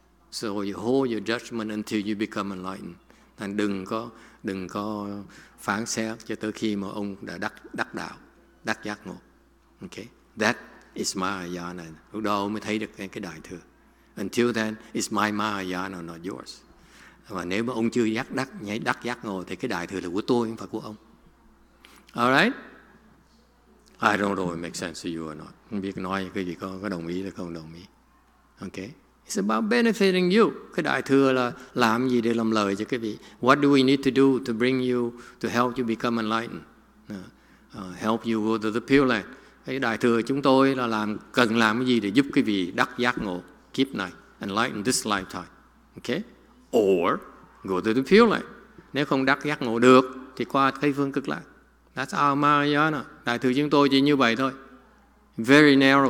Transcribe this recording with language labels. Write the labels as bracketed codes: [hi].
[en] So you hold your judgment until you become enlightened. [vi] Thành đừng có phán xét cho tới khi mà ông đã đắc đạo, đắc giác ngộ. Okay. [en] That is Mahayana. [vi] Lúc đó ông mới thấy được cái đại thừa. [en] Until then, it's my Mahayana, not yours. [vi] Và nếu mà ông chưa đắc giác ngộ thì cái đại thừa là của tôi, không phải của ông. [en] All right? I don't know if it makes sense to you or not. [vi] Không biết nói cái gì có đồng ý hay không đồng ý. Okay? [en] It's about benefiting you. [vi] Cái đại thừa là làm gì để làm lời cho quý vị. [en] What do we need to do to bring you, to help you become enlightened? Help you go to the Pure Land. [vi] Cái đại thừa chúng tôi là cần làm cái gì để giúp quý vị đắc giác ngộ kiếp này, [en] enlighten this lifetime. [vi] Okay? [en] Or go to the Pure Land. [vi] Nếu không đắc giác ngộ được thì qua Tây Phương Cực Lạc. [en] That's our Mahayana. [vi] Đại thừa chúng tôi chỉ như vậy thôi. [en] Very narrow.